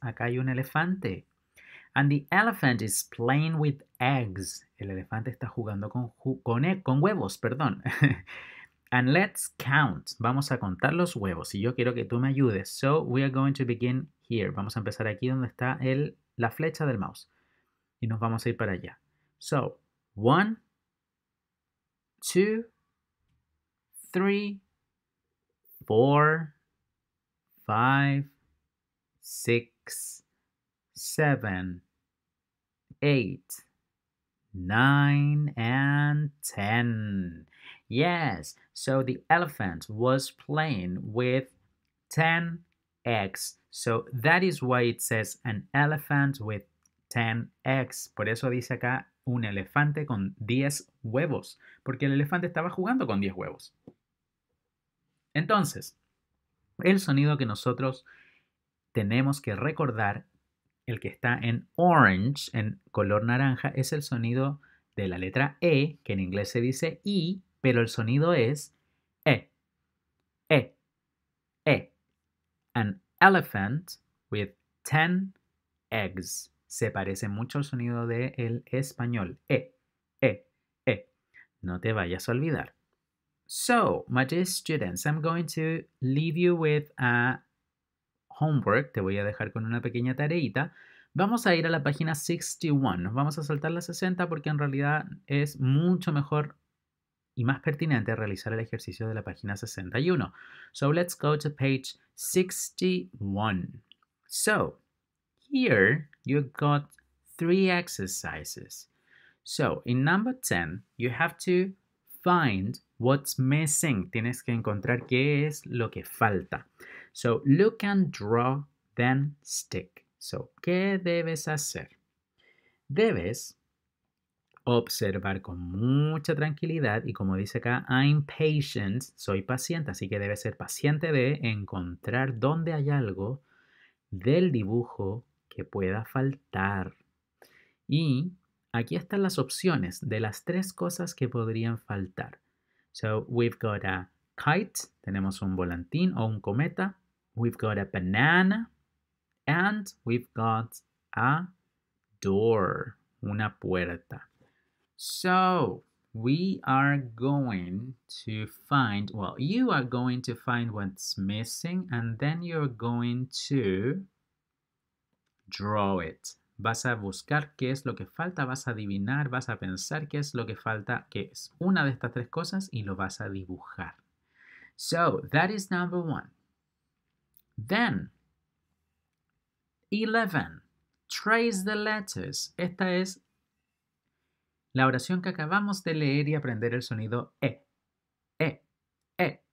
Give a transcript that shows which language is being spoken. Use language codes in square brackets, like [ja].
[es] Acá hay un elefante. [en] And the elephant is playing with eggs. [es] El elefante está jugando con huevos, perdón. [en] And let's count. [es] Vamos a contar los huevos. Y yo quiero que tú me ayudes. [en] So we are going to begin here. [es] Vamos a empezar aquí donde está la flecha del mouse. Y nos vamos a ir para allá. [en] So, one, two, three, four, five, six, seven, 8, 9, and 10. Yes, so the elephant was playing with 10 eggs. So that is why it says an elephant with 10 eggs. [es] Por eso dice acá un elefante con 10 huevos. Porque el elefante estaba jugando con 10 huevos. Entonces, el sonido que nosotros tenemos que recordar, el que está en orange, en color naranja, es el sonido de la letra E, que en inglés se dice I, pero el sonido es E, E, E. [en] An elephant with 10 eggs. [es] se parece mucho al sonido del español. No te vayas a olvidar. [en] So, my dear students, I'm going to leave you with a homework. [es] Te voy a dejar con una pequeña tareita. Vamos a ir a la página 61. Nos vamos a saltar la 60 porque en realidad es mucho mejor y más pertinente realizar el ejercicio de la página 61. [en] So, let's go to page 61. So, here you got three exercises. So, in number 10, you have to find what's missing. [es] Tienes que encontrar qué es lo que falta. [en] So, look and draw, then stick. So, [es] ¿qué debes hacer? Debes observar con mucha tranquilidad y como dice acá, [en] I'm patient, [es] soy paciente, así que debes ser paciente de encontrar dónde hay algo del dibujo que pueda faltar. Y aquí están las opciones de las tres cosas que podrían faltar. [en] So, we've got a kite, [es] tenemos un volantín o un cometa. [en] We've got a banana. And we've got a door, [es] una puerta. [en] So, we are going to find, well, you are going to find what's missing and then you're going to draw it. [es] Vas a buscar qué es lo que falta, vas a adivinar, vas a pensar qué es lo que falta, qué es una de estas tres cosas y lo vas a dibujar. [en] So, that is number one. Then, 11. Trace the letters. [es] Esta es la oración que acabamos de leer y aprender el sonido E. E. E.